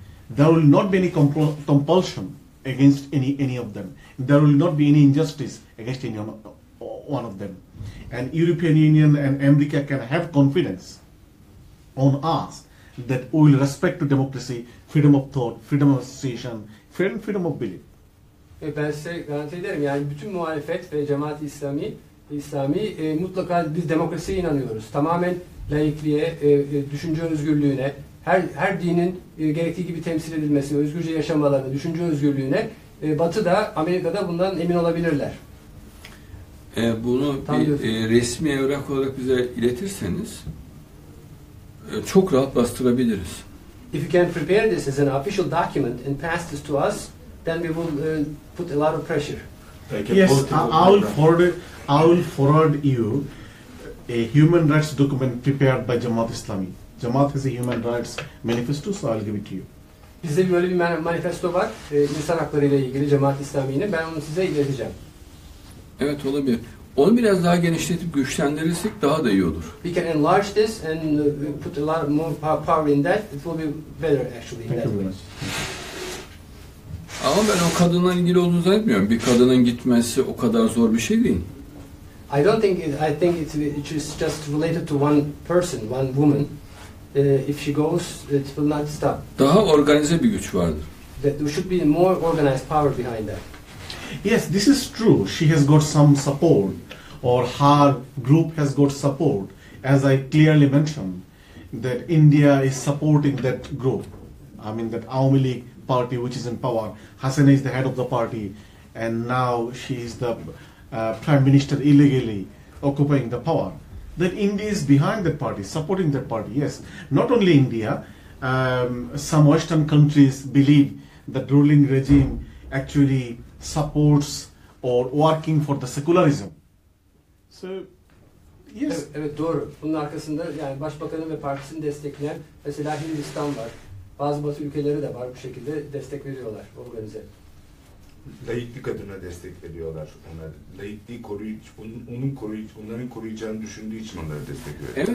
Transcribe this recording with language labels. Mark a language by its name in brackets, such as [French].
[English] There will not be any compulsion against any of them. There will not be any injustice against any one of them. And European Union and America can have confidence on us that we will respect to democracy, freedom of thought, freedom of association, freedom of belief. [Turkish] Ben size garanti ederim, yani bütün muhalefet ve cemaat-i İslami mutlaka biz demokrasiye inanıyoruz. Tamamen laikliğe, düşünce özgürlüğüne, her dinin gerektiği gibi temsil edilmesine, özgürce yaşamalarına, düşünce özgürlüğüne Batı da, Amerika da bundan emin olabilirler. Bunu resmi evrak olarak bize iletirseniz çok rahat bastırabiliriz. [English] If you can prepare this as an official document and pass this to us, then we will put a lot of pressure. Yes, I will forward you a human rights document prepared by Jamaat Islami. Jamaat has a human rights manifesto, so I'll give it to you. [Turkish] Bizde böyle bir manifesto var, insan hakları ile ilgili Jamaat Islami'nin. Ben onu size ileteceğim. Evet, olabilir. Onu biraz daha genişletip güçlendirirsek daha da iyi olur. [English] We can enlarge this and put a lot more power in that. It will be better actually in Thank that you way. Much. [Turkish] Ama ben o kadınla ilgili olduğunu zannetmiyorum. Bir kadının gitmesi o kadar zor bir şey değil. [English] I don't think it, I think it is just related to one person, one woman. If she goes, it will not stop. [Turkish] Daha organize bir güç vardır. [English] That there should be more organized power behind that. Yes, this is true. She has got some support, or her group has got support. As I clearly mentioned, that India is supporting that group. I mean that Awami League party which is in power. Hasina is the head of the party and now she is the prime minister illegally occupying the power. That India is behind that party, supporting that party, yes. Not only India, some Western countries believe that ruling regime actually supports or working for the secularism. So Yes. [Turkish] Evet, evet doğru. Bunun arkasında yani başbakanın ve partisini destekleyen mesela Hindistan var. Bazı batı ülkeleri de var bu şekilde destek veriyorlar organize. Laiklik adına destek veriyorlar onlar. Laikliği koruyup onların koruyacağını düşündüğü için onlara destek veriyorlar.